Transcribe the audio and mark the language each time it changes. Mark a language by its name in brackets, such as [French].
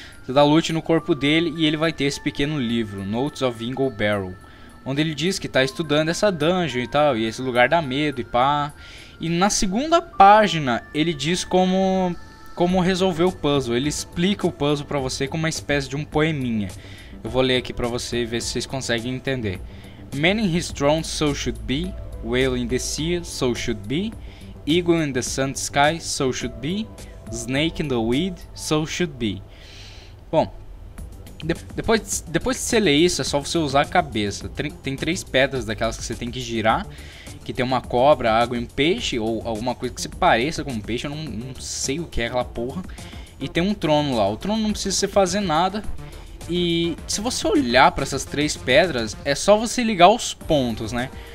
[Portuguese] Você dá loot no corpo dele e ele vai ter esse pequeno livro, Notes of Ingle Barrow, onde ele diz que tá estudando essa dungeon e tal, e esse lugar dá medo e pá. E na segunda página ele diz como resolver o puzzle. Ele explica o puzzle pra você com uma espécie de um poeminha. Eu vou ler aqui pra você ver se vocês conseguem entender. [English] Man in his throne, so should be. Whale in the sea, so should be. Eagle in the sun sky, so should be. Snake in the weed, so should be. [Portuguese] Bom, depois de você ler isso, é só você usar a cabeça. Tem três pedras daquelas que você tem que girar, que tem uma cobra, água e um peixe, ou alguma coisa que se pareça com um peixe, eu não sei o que é aquela porra. E tem um trono lá. O trono não precisa você fazer nada. E se você olhar para essas três pedras, é só você ligar os pontos, né?